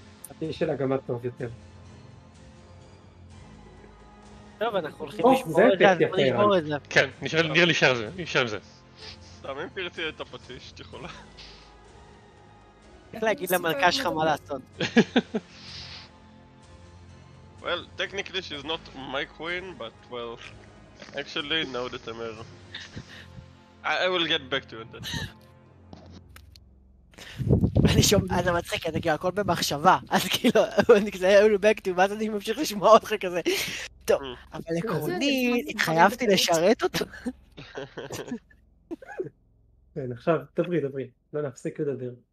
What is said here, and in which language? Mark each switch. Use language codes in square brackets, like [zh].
[he] הפטיש של הגמד טוב יותר. טוב, אנחנו הולכים לשמור את זה, נשמור את זה. כן, נראה לי נשאר עם זה. סתם, אם תרצי את הפטיש, את יכולה. איך להגיד למלכה שלך מה לעשות? [en] Well, technically she's not my queen, but well, actually, no, that I'm here. I will get back to you on that. [he] אני שומע, זה מצחיק, אני כאילו הכל במחשבה, אז כאילו, אני כזה היה לו בקטיב, ואז אני ממשיך לשמוע אותך כזה. טוב, אבל עקרונית, התחייבתי לשרת אותו. כן, עכשיו, דברי, דברי, לא נפסיק לדבר.